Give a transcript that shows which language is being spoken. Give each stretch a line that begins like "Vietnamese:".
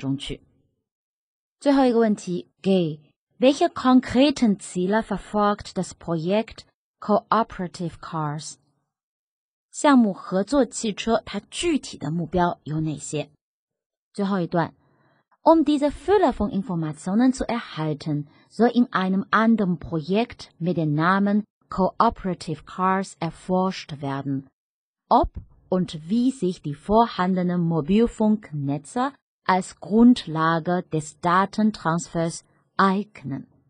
Chinese: 然后借助这些联网后所获得的信息，人们就可以控制交通信号灯以及路面标志牌，甚至可以将推荐路线直接发送到各个车辆中去。最后一个问题，给
German: Welche konkreten Ziele verfolgt das Projekt Cooperative Cars?
Chinese: 项目合作汽车它具体的目标有哪些? 最后一段,
German: Um diese Fülle von Informationen zu erhalten, soll in einem anderen Projekt mit dem Namen Cooperative Cars erforscht werden, ob und wie sich die vorhandenen Mobilfunknetze als Grundlage des Datentransfers eignen.